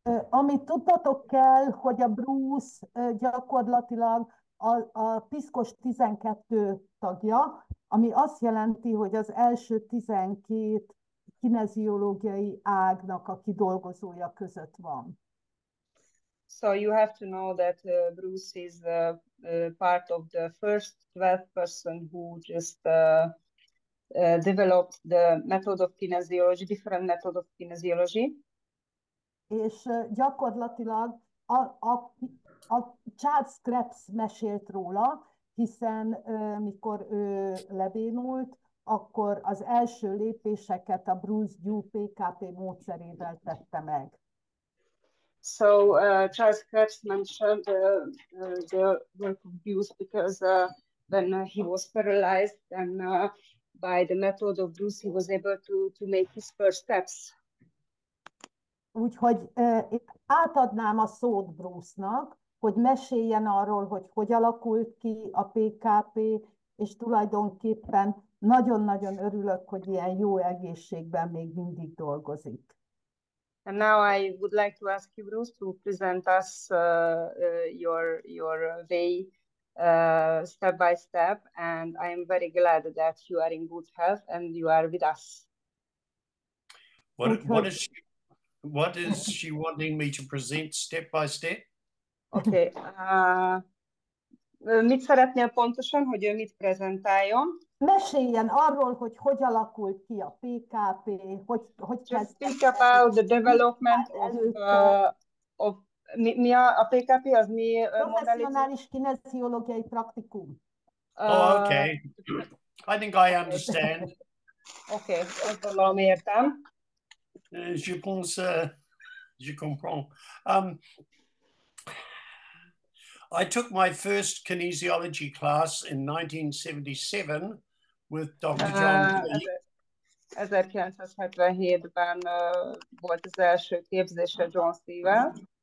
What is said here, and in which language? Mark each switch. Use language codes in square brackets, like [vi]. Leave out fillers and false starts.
[hu] Amit tudtatok kell, hogy a Bruce gyakorlatilag a piszkos 12 tagja, ami azt jelenti, hogy az első 12 kineziológiai ágnak a kidolgozója között van. [en] So you have to know that Bruce is part of the first 12 person who just developed the method of kinesiology, different method of kinesiology. [hu] És gyakorlatilag a Charles Krebs mesélt róla, hiszen mikor ő lebénult, akkor az első lépéseket a Bruce Dewe PKP módszerével tette meg. [en] So Charles Krebs mentioned the work of Bruce because when he was paralyzed and by the method of Bruce he was able to make his first steps. [hu] Úgyhogy átadnám a szót Bruce-nak, hogy meséljen arról, hogy hogy alakult ki a PKP, és tulajdonképpen nagyon-nagyon örülök, hogy ilyen jó egészségben még mindig dolgozik. [en] And now I would like to ask you, Bruce, to present us your way step by step. And I am very glad that you are in good health and you are with us. What is she wanting me to present step by step? Okay. [hu] Mit szeretnél pontosan, hogy ő mit prezentáljon? Meséljen arról, hogy hogy alakult ki a PKP, hogy kezdett. [en] Just speak about the development of [hu] mi a PKP, az mi professzionális kineziológiai praktikum. [en] Okay. I think I understand. [hu] Okay, valami értem. [fr] Je pense, je comprends. [en] I took my first kinesiology class in 1977 with Dr. John Dewe. [hu] 1977-ben volt az első képzése John Dewe-vel.